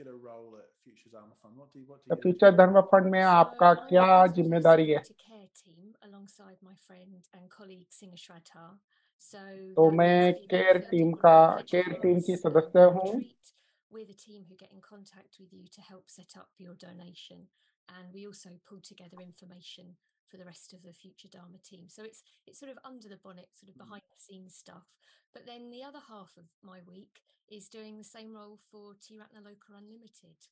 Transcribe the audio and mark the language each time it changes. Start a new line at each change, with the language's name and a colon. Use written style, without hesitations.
Hindi: Future धर्म fund में आपका क्या जिम्मेदारी है?
English: Alongside my friend and colleague Singha Shraddha. So
Hindi: तो मैं केयर टीम की सदस्य हूँ।
English: We're the team who get in contact with you to help set up your donation, and we also pull together information for the rest of the Future Dharma team. So it's sort of under the bonnet, sort of behind the scenes stuff. But then the other half of my week is doing the same role for Te Ratnaloka Unlimited.